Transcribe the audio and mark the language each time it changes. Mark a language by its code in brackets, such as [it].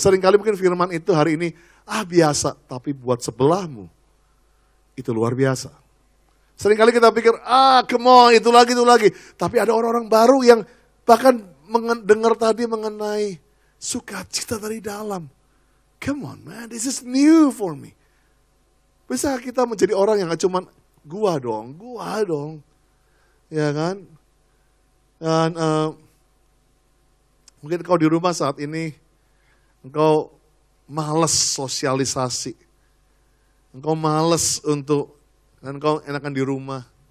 [id] Seringkali mungkin firman itu hari ini, ah biasa, tapi buat sebelahmu, itu luar biasa. Seringkali kita pikir, ah [en] come on, [id] itu lagi. Tapi ada orang-orang baru yang bahkan dengar tadi mengenai sukacita dari dalam. [en] Come on man, this is new for me. [id] Bisa kita menjadi orang yang gak cuman, gua dong. Ya kan? Dan mungkin kau di rumah saat ini, engkau malas sosialisasi. Engkau malas untuk, dan engkau enakan di rumah.